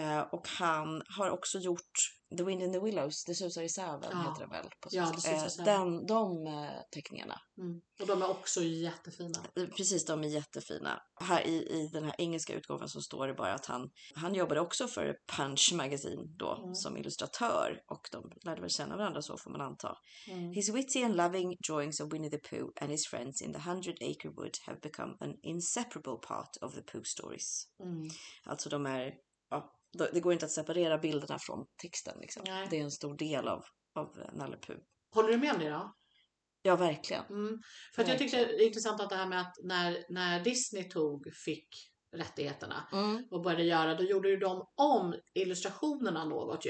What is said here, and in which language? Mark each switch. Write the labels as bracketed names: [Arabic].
[Swedish] Och han har också gjort The Wind in the Willows, The Susar i Säven heter det väl på svenska. Ja, de teckningarna. Mm. Och de är också jättefina. Precis, de är jättefina. Här i den här engelska utgåvan så står det bara att han jobbade också för Punch Magazine då, mm. som illustratör. Och de lärde väl känna varandra, så får man anta. Mm. [English] His witty and loving drawings of Winnie the Pooh and his friends in the Hundred Acre Wood have become an inseparable part of the Pooh stories. Mm. [Swedish] Alltså de är... Ja, det går inte att separera bilderna från texten. Liksom. Det är en stor del av Nalle Puh. Håller du med om det då? Ja, verkligen. Mm. För att verkligen. Jag tyckte det är intressant att det här med att när Disney fick rättigheterna och började göra, då gjorde ju de om illustrationerna något ju.